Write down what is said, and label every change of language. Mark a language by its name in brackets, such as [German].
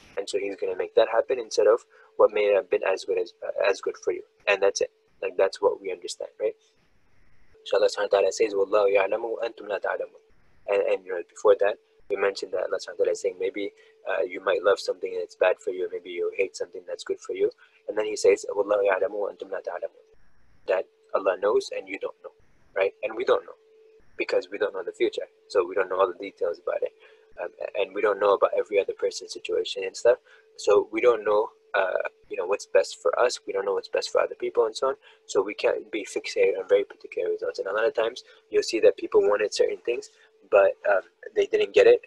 [English] And so he's going to make that happen instead of what may have been as good for you. And that's it. Like, that's what we understand, right? So Allah subhanahu wa ta'ala says, [Arabic] وَاللَّهُ يَعْلَمُ وَأَنْتُمْ لَا تَعْلَمُ. [English] And you know, before that, we mentioned that Allah subhanahu wa ta'ala is saying maybe you might love something and it's bad for you. Maybe you hate something that's good for you. And then he says, [Arabic] وَاللَّهُ يَعْلَمُ وَأَنْتُمْ لَا تَعْلَمُ. [English] That Allah knows and you don't know, right? And we don't know, because we don't know the future. So we don't know all the details about it. And we don't know about every other person's situation and stuff. So we don't know, you know, what's best for us. We don't know what's best for other people and so on. So we can't be fixated on very particular results. And a lot of times you'll see that people wanted certain things, but they didn't get it.